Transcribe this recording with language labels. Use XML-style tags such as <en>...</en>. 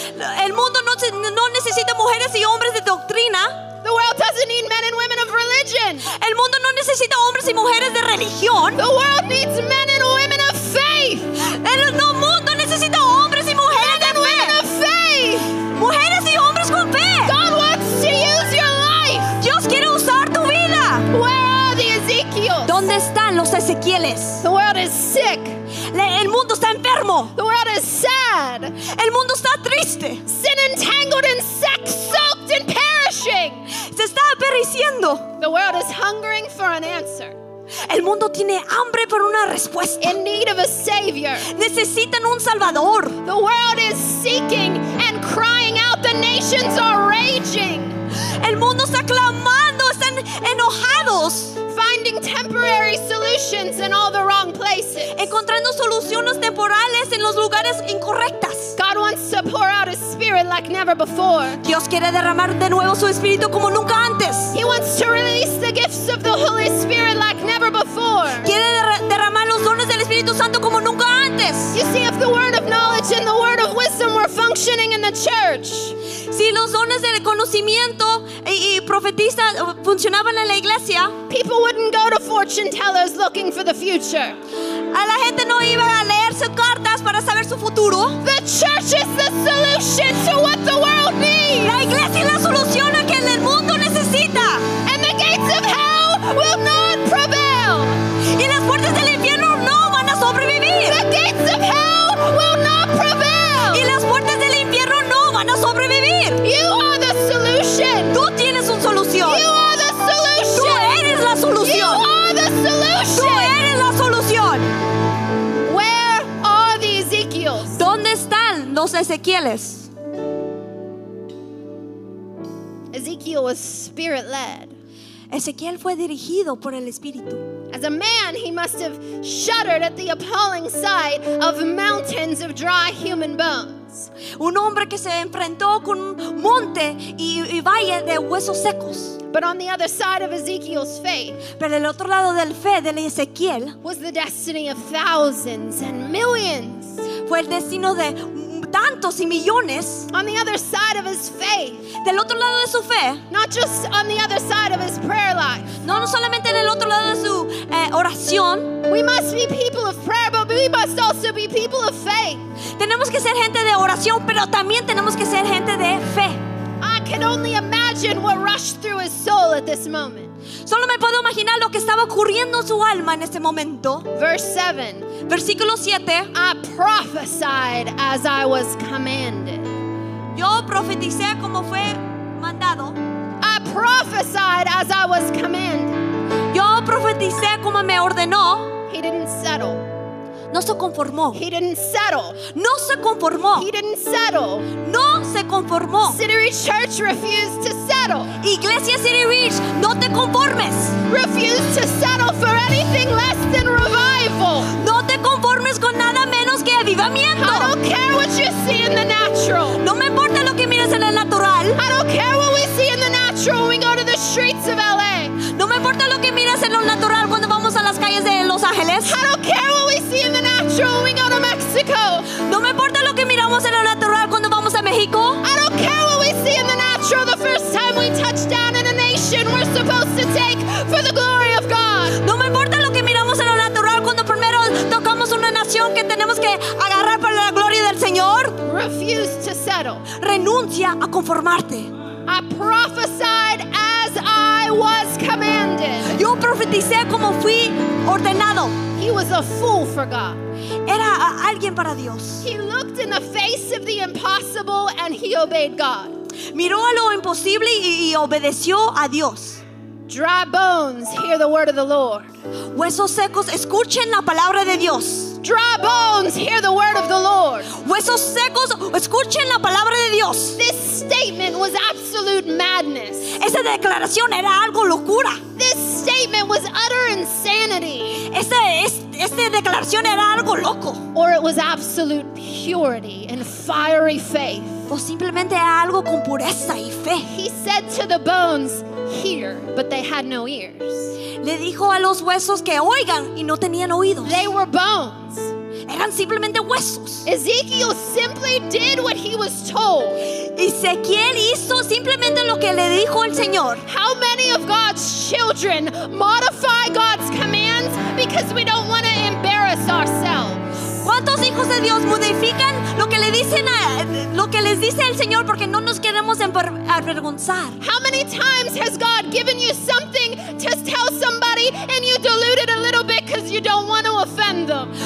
<es>El mundo no necesita mujeres y hombres de doctrina.</es> <en>The world doesn't need men and women of religion.</en> <es>El mundo no necesita hombres y mujeres de religión.</es> <en>The world needs men and women of faith.</en> <es>El mundo necesita hombres y mujeres de fe.</es> <en>Men and women of faith.</en> <es>Mujeres y hombres con fe.</es> <en>God wants to use your life.</en> <es>Dios quiere usar tu vida.</es> <en>Where are the Ezekiels?</en> <es>¿Dónde están los Ezequieles?</es> <en>The world is sick.</en> <es>El mundo está enfermo.</es> <en>The world is sad.</en> <es>El mundo está triste.</es> <en>Sin entangled in sex, soaked in perishing.</en> <es>Se está pereciendo.</es> <en>The world is hungering for an answer.</en> <es>El mundo tiene hambre por una respuesta.</es> <en>In need of a savior.</en> <es>Necesitan un salvador.</es> <en>The world is seeking and crying out. The nations are raging.</en> <es>El mundo está clamando, están enojados.</es> <en>Finding temporary solutions in all the wrong places.</en> <es>Encontrando soluciones temporales en los lugares incorrectas.</es> <en>God wants to pour out His Spirit like never before.</en> <es>Dios quiere derramar de nuevo su espíritu como nunca antes.</es> <en>He wants to release the gifts of the Holy Spirit like never before.</en> <es>Quiere derramar los dones del Espíritu Santo como nunca antes.</es> <en>You see, if the word of knowledge and the word of wisdom were functioning in the church.</en> <es>Si los dones del conocimiento y profetiza funcionaban en la iglesia,</es> <en>people wouldn't go to fortune tellers looking for the future.</en> <es>A la gente no iba a leer sus cartas para saber su futuro.</es> <en>The church is the solution to what the world needs.</en> <es>La iglesia es la solución a que el mundo necesita.</es> <en>And the gates of hell will not prevail.</en> <es>Y las puertas del infierno no van a sobrevivir.</es> <en>The gates of hell will not prevail.</en> <es>Y las puertas del infierno no van a sobrevivir.</es> <en>You are the solution.</en> <es>Tú tienes una solución.</es> <en>You are the solution.</en> <es>Tú eres la solución.</es> <en>You are the solution.</en> <es>Tú eres la solución.</es> <en>Where are the Ezekiels?</en> <es>¿Dónde están los Ezequieles?</es> <en>Ezekiel was spirit-led.</en> <es>Ezequiel fue dirigido por el Espíritu.</es> <en>As a man, he must have shuddered at the appalling sight of mountains of dry human bones.</en> <es>Un hombre que se enfrentó con monte y valle de huesos secos.</es> <en>But on the other side of Ezekiel's faith,</en> <es>pero el otro lado del fe de Ezequiel,</es> <en>was the destiny of thousands and millions.</en> <es>Fue el destino de tantos y millones.</es> <en>On the other side of his faith,</en> <es>del otro lado de su fe,</es> <en>not just on the other side of his prayer life,</en> <es>no solamente en el otro lado de su oración.</es> <en>We must be people of prayer, but we must also be people of faith.</en> <es>Tenemos que ser gente de oración, pero también tenemos que ser gente de fe.</es> <en>I can only imagine what rushed through his soul at this moment.</en> <es>Solo me puedo imaginar lo que estaba ocurriendo en su alma en este momento. Versículo 7.</es> <en>I prophesied as I was commanded.</en> <es>Yo profeticé como fue mandado.</es> <en>I prophesied as I was commanded.</en> <es>Yo profeticé como me ordenó.</es> <en>He didn't settle.</en> <es>No se conformó.</es> <en>He didn't settle.</en> <es>No se conformó.</es> <en>He didn't settle.</en> <es>No se conformó.</es> <en>City Reach Church refused to settle.</en> <es>Iglesia City Reach, no te conformes.</es> <en>Refused to settle for anything less than revival.</en> <es>No te conformes con nada menos que avivamiento.</es> <en>I don't care what you see in the natural.</en> <es>No me importa lo que mires en el natural.</es> <en>I don't care what we see in the natural when we go to the streets of LA.</en> <es>No me importa lo que mires en lo natural cuando vamos a las calles de Los Ángeles.</es> <en>I don't care what we see in the natural when we go to Mexico.</en> <es>No me importa lo que miramos en lo natural cuando vamos a México.</es> <en>I don't care what we see in the natural the first time we touch down in a nation we're supposed to take for the glory of God.</en> <es>No me importa lo que miramos en lo natural cuando primero tocamos una nación que tenemos que agarrar para la gloria del Señor.</es> <en>Refuse to settle.</en> <es>Renuncia a conformarte.</es> <en>I prophesied as I was commanded.</en> <es>Yo profeticé como fui ordenado.</es> <en>He was a fool for God.</en> <es>Era alguien para Dios.</es> <en>He looked in the face of the impossible and he obeyed God.</en> <es>Miró a lo imposible y obedeció a Dios.</es> <en>Dry bones hear the word of the Lord.</en> <es>Huesos secos escuchen la palabra de Dios.</es> <en>Dry bones hear the word of the Lord.</en> <es>Huesos secos escuchen la palabra de Dios.</es> <en>This statement was absolute madness.</en> <es>Esa declaración era algo locura.</es> <en>This statement was utter insanity.</en> <es>Esta declaración era algo loco.</es> <en>Or it was absolute purity and fiery faith.</en> <es>O simplemente era algo con pureza y fe.</es> <en>He said to the bones, hear, but they had no ears.</en> <es>Le dijo a los huesos que oigan y no tenían oídos.</es> <en>They were bones.</en> <es>Eran simplemente huesos.</es> <en>Ezekiel simply did what he was told.</en> <es>Ezequiel hizo simplemente lo que le dijo el Señor.</es> <en>How many of God's children modify God's commands because we don't want to embarrass ourselves?</en> <es>¿Cuántos hijos de Dios modifican lo que le dicen a, lo que les dice el Señor porque no nos queremos avergonzar?</es> <en>How many times has God given you something to tell somebody and you dilute it a little bit because you don't want to offend them?</en>